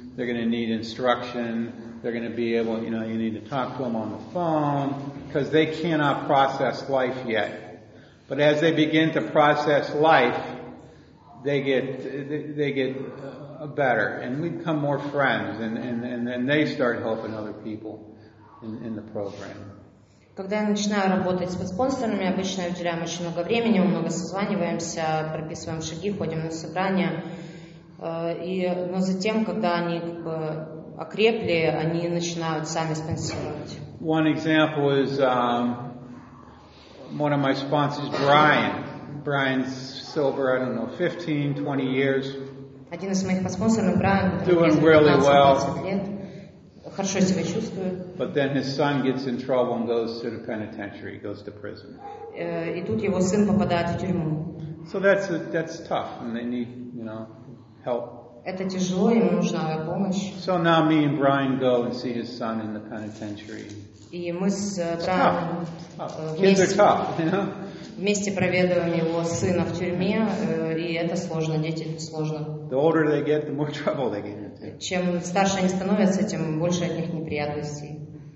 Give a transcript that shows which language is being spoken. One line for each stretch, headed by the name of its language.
English: They're going to need instruction. They're going to be able, you know, you need to talk to them on the phone because they cannot process life yet. But as they begin to process life, they get better, and we become more friends, and then they start helping other people in the program.
Russian: Когда я начинаю работать с спонсорами, обычно уделяем очень много времени, мы много созваниваемся, прописываем шаги, ходим на собрания, но затем, когда они как бы окрепли, они начинают сами спонсировать.
English: One example is. One of my sponsors, Brian. Brian's sober, I don't know, 15, 20 years.
Russian: Один из моих спонсоров, Брайан,
English: doing really well.
Russian: Хорошо себя чувствует.
English: But then his son gets in trouble and goes to the penitentiary, goes to prison.
Russian: И тут его сын попадает в тюрьму.
English: So that's tough, and they need, you know, help.
Russian: Это тяжело, ему нужна помощь.
English: So now me and Brian go and see his son in the penitentiary.
Russian: И мы с вместе проведываем его сына в тюрьме, и это сложно, дети сложно.
English: The older they get, the more trouble they get into.
Russian: Чем старше они становятся, тем больше от них неприятностей.